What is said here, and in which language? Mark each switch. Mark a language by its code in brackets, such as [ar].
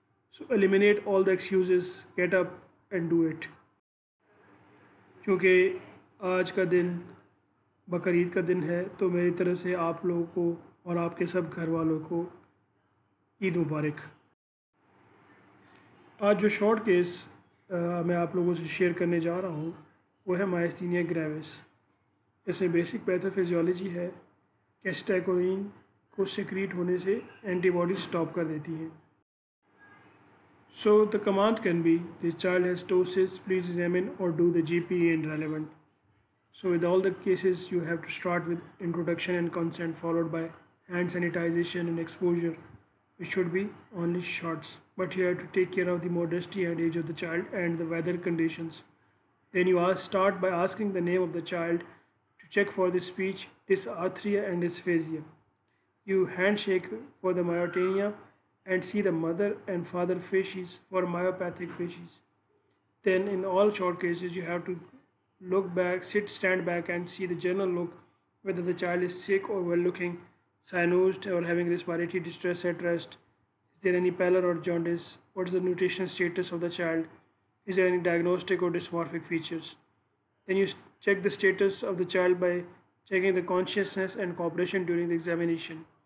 [en] So eliminate all the excuses, get up and do it. [ur] کیونکہ آج کا دن بقرعید کا دن ہے تو میری طرف سے آپ لوگوں کو اور آپ کے سب گھر والوں کو عید مبارک آج جو شارٹ کیس میں آپ لوگوں سے شیئر کرنے جا رہا ہوں وہ ہے مائسٹینیا گریویس اس میں بیسک پیتھو فیزیولوجی ہے کیسٹیکولین کو سیکریٹ ہونے سے اینٹی باڈیز سٹاپ کر دیتی ہیں [en] So the command can be the child has ptosis please examine اور do the G P and relevant so with all the cases you have to start with introduction and consent followed by hand sanitization and exposure it should be only shorts but you have to take care of the modesty and age of the child and the weather conditions then you start by asking the name of the child to check for the speech dysarthria and dysphasia You handshake for the myotenia and see the mother and father facies for myopathic facies. Then in all short cases, you have to look back, sit, stand back and see the general look, whether the child is sick or well-looking, cyanosed or having respiratory distress at rest. Is there any pallor or jaundice? What is the nutritional status of the child? Is there any diagnostic or dysmorphic features? Then you check the status of the child by checking the consciousness and cooperation during the examination.